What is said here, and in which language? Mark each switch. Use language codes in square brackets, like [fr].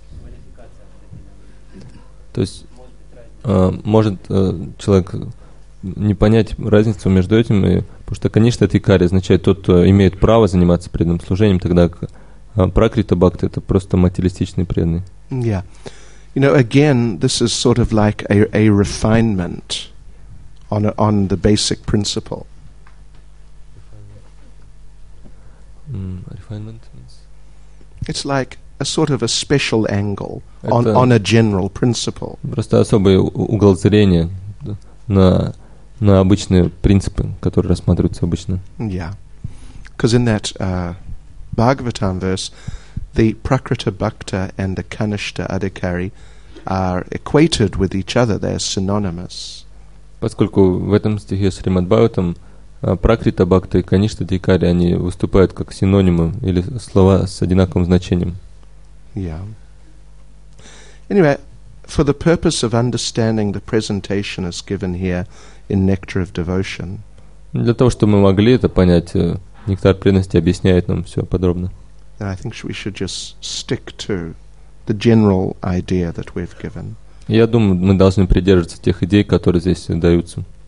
[ru] Квалификация. То есть, может человек не понять разницу между этим, потому что каништа адхикари означает тот, кто имеет право заниматься преданным служением, тогда Пракрита бхакта – это просто материалистичный преданный. [en] Yeah. You know, again, this is sort of like a refinement on the basic principle. Refinement means? It's like a sort of a special angle on a general principle. [ru] Просто особый угол зрения на обычные принципы, которые рассматриваются обычно. [en] Yeah. Because in that Bhagavatam verse, the Prakrita Bhakta and the Kanishta Adhikari are equated with each other. They are synonymous. [ru] Поскольку в этом стихе Шримад Бхагаватам Пракрита Бхакта и Каништа Адхикари они выступают как синонимы или слова с одинаковым значением. [en] Yeah. Anyway, for the purpose of understanding the presentation as given here in Nectar of Devotion. [ru] Для того, чтобы мы могли это понять. Нектар преданности объясняет нам все подробно. [en] I think we should just stick to the general idea that we've given. [ru] Я думаю, мы должны придерживаться тех идей, которые здесь даются.